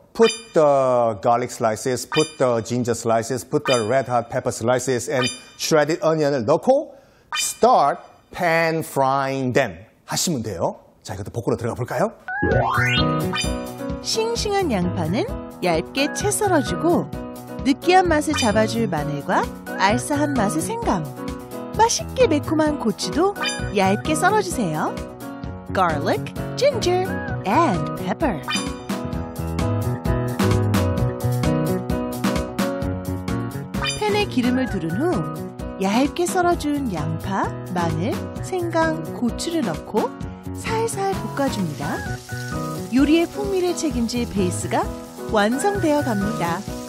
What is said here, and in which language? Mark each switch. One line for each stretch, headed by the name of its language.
English: Put the garlic slices, put the ginger slices, put the red hot pepper slices and shredded onion을
Korean: 넣고
English: start pan frying them
Korean: 하시면 돼요. 자, 이것도 볶으러 들어가 볼까요? 싱싱한 양파는 얇게 채 썰어주고 느끼한 맛을 잡아줄 마늘과 알싸한 맛의 생강, 맛있게 매콤한 고추도 얇게 썰어주세요.
English: Garlic, ginger, and pepper.
Korean: 팬에 기름을 두른 후 얇게 썰어준 양파, 마늘, 생강, 고추를 넣고 살살 볶아줍니다. 요리의 풍미를 책임질 베이스가 완성되어 갑니다.